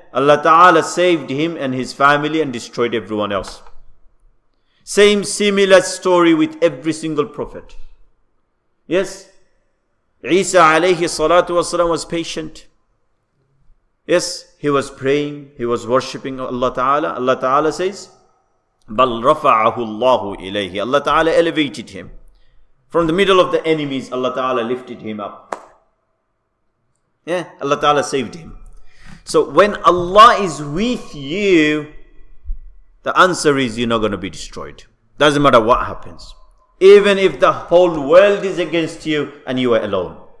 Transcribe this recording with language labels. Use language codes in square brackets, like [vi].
[en] Allah Ta'ala saved him and his family and destroyed everyone else. Same similar story with every single prophet. Yes? Isa alayhi salatu wasalam was patient. Yes, he was praying, he was worshipping Allah Ta'ala. Allah Ta'ala says, [ar] بَلْ رَفَعَهُ اللَّهُ إِلَيْهِ. [en] Allah Ta'ala elevated him. From the middle of the enemies, Allah Ta'ala lifted him up. Yeah, Allah Ta'ala saved him. So when Allah is with you, the answer is you're not going to be destroyed. Doesn't matter what happens. Even if the whole world is against you and you are alone.